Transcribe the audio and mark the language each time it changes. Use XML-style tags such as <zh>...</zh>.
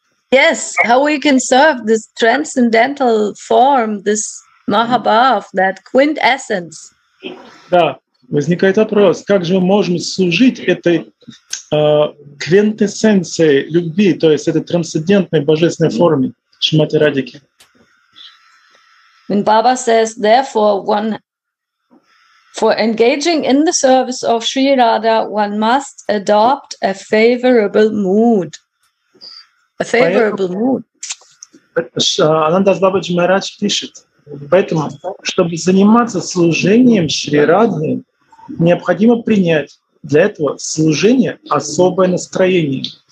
<en>Yes, how we can serve this transcendental form, this mahabhav, that quintessence.</en> <ru>Да, возникает вопрос, как же мы можем служить этой квинтэссенции любви, то есть этой трансцендентной божественной форме Шримати Радики.</ru> <en>And Baba says, therefore, one for engaging in the service of Sri Radha, one must adopt a favorable mood. A favorable mood.</en> <ru>Анандас Бабаджи Махарадж пишет, поэтому, чтобы заниматься служением Шри Радхи, необходимо принять для этого служение особое настроение.</ru>